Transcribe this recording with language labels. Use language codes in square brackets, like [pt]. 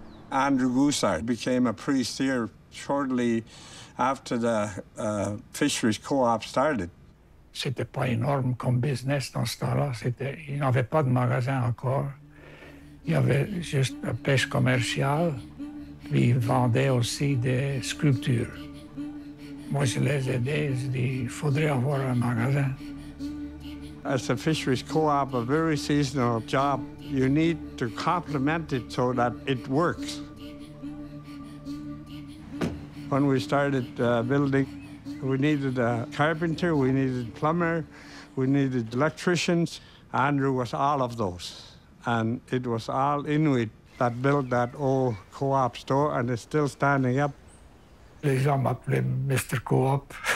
[en] Andrew Woosard became a priest here shortly after the fisheries co-op started. [fr] C'était pas énorme comme business dans ce temps-là. C'était, il n'y avait pas de magasin encore. Il y avait juste la pêche commerciale. Puis ils vendaient aussi des sculptures. Moi, je les aidais. Je dis, il faudrait avoir un magasin. [en] As a fisheries co-op, a very seasonal job, you need to complement it so that it works. When we started building, we needed a carpenter, we needed a plumber, we needed electricians. Andrew was all of those. And it was all Inuit that built that old co-op store, and it's still standing up. [fr] Les gens m'appelaient Mr. Co-op.